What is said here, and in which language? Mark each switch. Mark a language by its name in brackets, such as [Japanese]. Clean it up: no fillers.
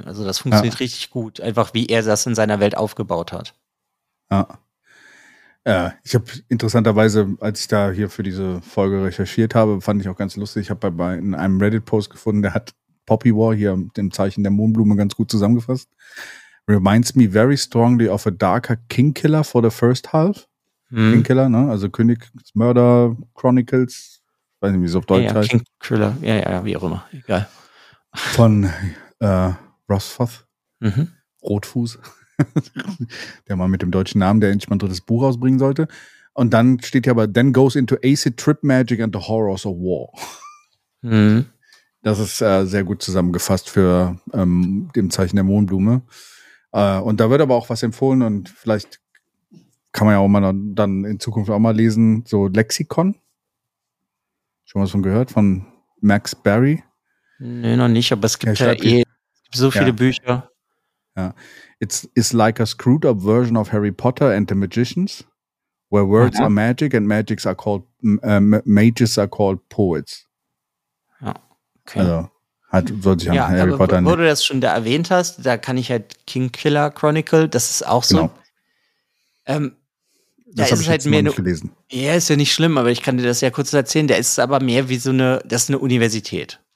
[German] Also das funktioniert richtig gut, einfach wie er das in seiner Welt aufgebaut hat. Ja. Ich habe interessanterweise, als ich da hier für diese Folge recherchiert habe, fand ich auch ganz lustig, ich habe bei in einem Reddit-Post gefunden, der hat Poppy War hier mit dem Zeichen der Mondblume ganz gut zusammengefasst. [English] Reminds me very strongly of a darker Kingkiller for the first half. [German] Kingkiller, ne? Also Königsmörder Chronicles, weiß nicht, wie es auf Deutsch heißt. Kingkiller, ja, wie auch immer, egal. Von Rosforth, Rotfuß. Der Mann mit dem deutschen Namen, der endlich mal ein drittes Buch rausbringen sollte. Und dann steht hier aber, [English] then goes into acid trip magic and the horrors of war. [German] Das ist sehr gut zusammengefasst für dem Zeichen der Mondblume. Und da wird aber auch was empfohlen und vielleicht kann man ja auch mal dann in Zukunft auch mal lesen, so Lexikon. Schon was von gehört? Von Max Barry? Nee, noch nicht, aber es gibt so viele Bücher. Ja. [English] It's like a screwed up version of Harry Potter and the Magicians, where words are magic and magics are called mages are called poets. [German] Ja, okay. Also hat soll sich an Harry Potter nicht. Wo du das schon da erwähnt hast, da kann ich halt Kingkiller Chronicle, das ist auch so. Genau. Das habe ich jetzt noch nicht gelesen. Ja, ist ja nicht schlimm, aber ich kann dir das ja kurz erzählen. Der ist aber mehr wie so eine, das ist eine Universität.